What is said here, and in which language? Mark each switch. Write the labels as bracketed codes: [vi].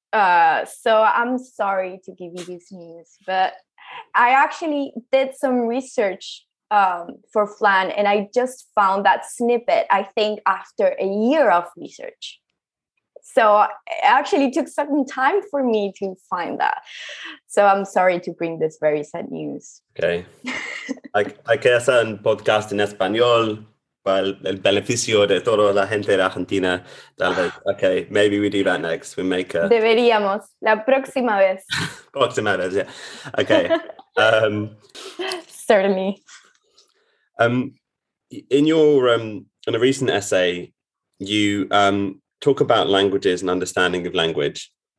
[en] So I'm sorry to give you this news, but I actually did some research for Flan, and I just found that snippet, I think, after a year of research. So it actually took some time for me to find that. So I'm sorry to bring this very sad news. Okay. [es] Hay que hacer un podcast en español para el beneficio de toda la gente de Argentina. [en] Okay, maybe we do that next. We make a... [es] Deberíamos. La próxima vez. Próxima vez, [en] yeah. Okay. Certainly. In your in a recent essay, you talk about languages and understanding of language.